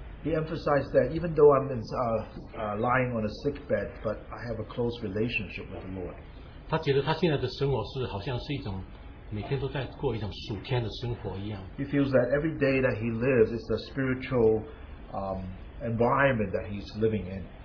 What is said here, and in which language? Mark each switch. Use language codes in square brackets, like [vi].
[en] He emphasized that even though I'm in, lying on a sick bed, but I have a close relationship with the Lord. [zh] 他觉得他现在的生活是好像是一种每天都在过一种数天的生活一样。 [en] He feels that every day that he lives is a spiritual environment that he's living in.